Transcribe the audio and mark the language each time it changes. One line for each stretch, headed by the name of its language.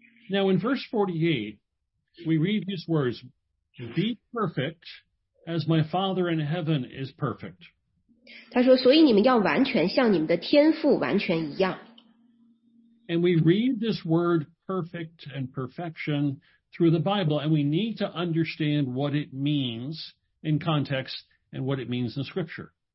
English: Now in verse 48, we read these words, be perfect as my Father in heaven is perfect.
Chinese: 他说，所以你们要完全像你们的天父完全一样。
English: And we read this word perfect and perfection through the Bible, and we need to understand what it means in context and what it means in Scripture.